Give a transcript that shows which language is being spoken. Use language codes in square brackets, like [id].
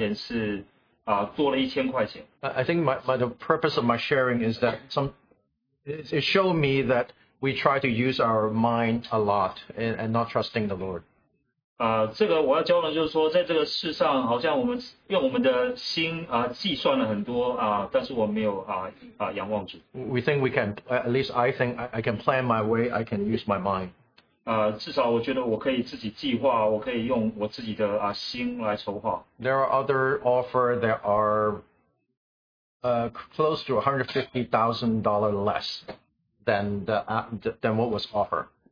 [zh] 还有其他的要买的买家，但是这个买家他出的价钱是多了1000块钱。 [en] I think the purpose of my sharing is that it showed me that we try to use our mind a lot and not trusting the Lord. [zh] 这个我要教的就是说，在这个世上，好像我们用我们的心计算了很多，但是我没有仰望主。 [en] We think we can, at least I think I can plan my way, I can use my mind. [zh] 至少我觉得我可以自己计划，我可以用我自己的心来筹划。 [en] There are other offers that are close to $150,000 less than than what was offered.